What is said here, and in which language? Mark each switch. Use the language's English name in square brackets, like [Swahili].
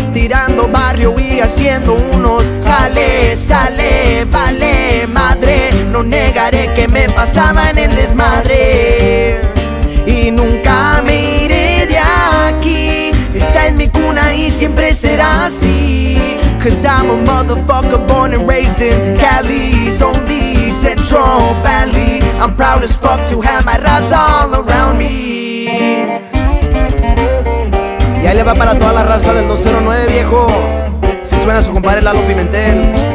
[Spanish] Tirando barrio y haciendo unos jales, sale, vale, madre. No negaré que me pasaba en el desmadre. Y nunca me iré de aquí, está en mi cuna y siempre será así. [English] Cause I'm a motherfucker born and raised in Cali's only Central Valley. I'm proud as fuck to have my raza all around me. [Spanish] Y ahí le va para toda la raza del 209, viejo. Si suena su compadre Lalo Pimentel.